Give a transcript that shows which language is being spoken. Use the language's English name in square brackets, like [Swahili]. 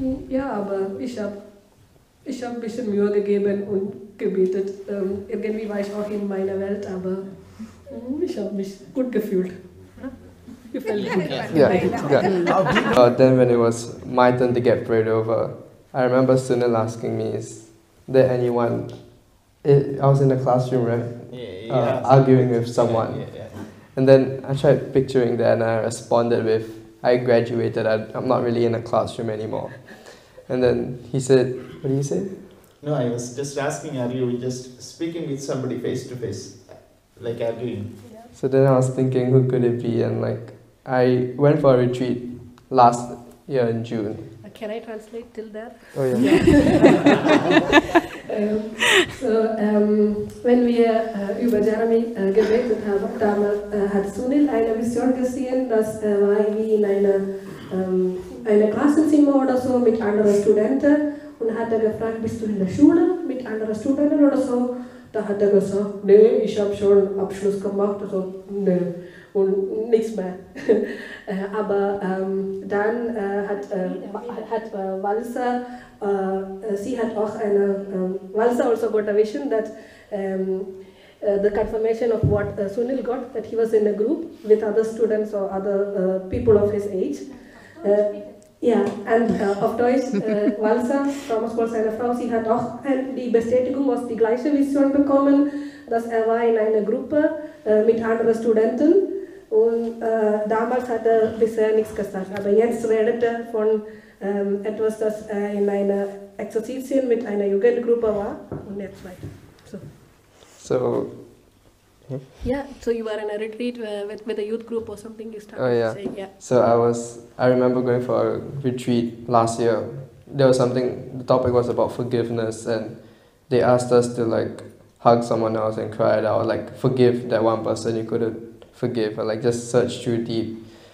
[German] Ja, aber ich hab ein bisschen Mühe gegeben und gebetet. Irgendwie war ich auch in meiner Welt, aber ich habe mich gut gefühlt. [English] Yeah. Then when it was my turn to get prayed over, I remember Sunil asking me, is there anyone I was in a classroom, right? Yeah, arguing with someone. Yeah. And then I tried picturing that and I responded with, I graduated, I'm not really in a classroom anymore. And then he said, what do you say? No, I was just asking, are you just speaking with somebody face to face, like arguing? Yeah. So then I was thinking, who could it be? And like, I went for a retreat last year in June. Can I translate till that? Oh yeah. When we [German] über Jeremy geredet mit haben, damals hat Sunil eine Vision gesehen, dass war irgendwie in einer Klassenzimmer oder so mit anderen Studenten und hat er gefragt, bist du in der Schule mit anderen Studenten oder so? Da hat er gesagt, nee, ich habe schon Abschluss gemacht, also nee. Und nichts mehr. Aber dann hat Walsa, sie hat auch eine, [English] Walsa also got a vision that the confirmation of what Sunil got, that he was in a group with other students or other people of his age. [German] Auf Deutsch, Walsa, Thomas Kohl, seine Frau, sie hat auch die Bestätigung aus die gleiche Vision bekommen, dass er war in einer Gruppe mit anderen Studenten. Und damals hat er bisher nichts gesagt, aber jetzt redet er von etwas, das in einer Exerzitien mit einer Jugendgruppe war und jetzt weiter. [English] So you were in a retreat with a youth group or something you started to say. So I remember going for a retreat last year. There was something, the topic was about forgiveness and they asked us to like hug someone else and cry it out, like forgive that one person you couldn't forgive, or like just search through deep.